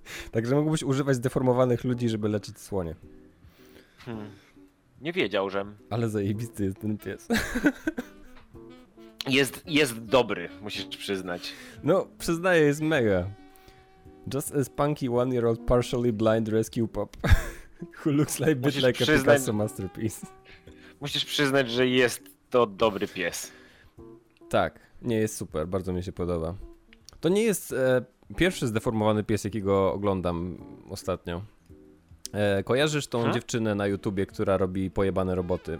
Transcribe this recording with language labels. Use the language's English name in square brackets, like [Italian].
[Polish] Także mógłbyś używać zdeformowanych ludzi, żeby leczyć słonie. Nie wiedział, że... Ale zajebisty jest ten pies. Jest dobry, musisz przyznać. No, przyznaję, jest mega. [English] Just as punky 1-year-old partially blind rescue pup. Who looks like a bit like a Picasso masterpiece. [Polish] Musisz przyznać, że jest to dobry pies. Tak, nie jest super, bardzo mi się podoba. To nie jest pierwszy zdeformowany pies, jakiego oglądam ostatnio. Kojarzysz tą dziewczynę na YouTubie, która robi pojebane roboty.